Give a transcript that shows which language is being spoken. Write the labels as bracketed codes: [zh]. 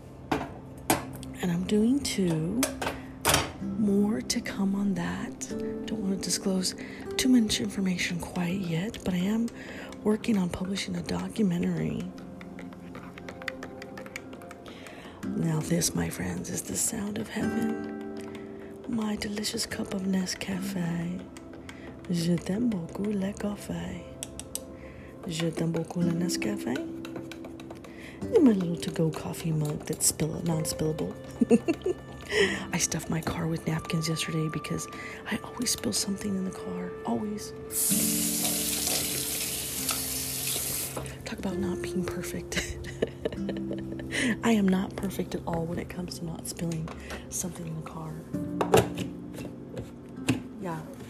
[en] And I'm doing two. More to come on that. Don't want to disclose too much information quite yet, but I am working on publishing a documentary. Now this, my friends, is the sound of heaven. My delicious cup of Nescafe. [fr] Je t'aime beaucoup le café. Je t'aime beaucoup le Nescafe. [en] And my little to-go coffee mug that's non-spillable. I stuffed my car with napkins yesterday because I always spill something in the car. Always. Talk about not being perfect. I am not perfect at all when it comes to not spilling something in the car. Yeah.